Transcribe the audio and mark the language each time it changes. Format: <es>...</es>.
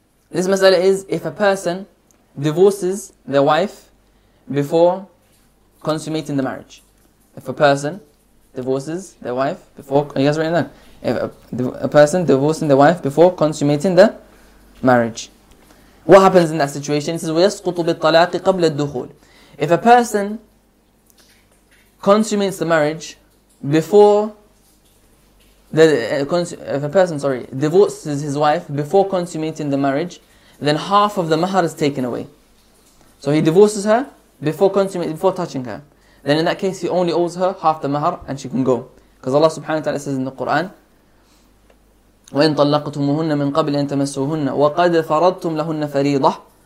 <en>This mas'ala is, if a person divorces their wife before consummating the marriage. If a person divorces their wife before, are you guys writing that? If a person divorcing their wife before consummating the marriage, what happens in that situation? It says,</en> <ar>وَيَسْقُطُ بِالطَّلَاقِ قَبْلَ الدُّخُولِ.</ar> <en>If a person consummates the marriage before the divorces his wife before consummating the marriage, then half of the mahar is taken away. So he divorces her before touching her. Then in that case, he only owes her half the mahar, and she can go, because Allah Subhanahu wa Taala says in the Quran,</en> <ar>وَإِن طَلَّقْتُمُهُنَّ مِنْ قَبْلِ أَن تَمَسُّوهُنَّ وَقَدْ فَرَضْتُمْ لَهُنَّ فَرِيضَةً.</ar>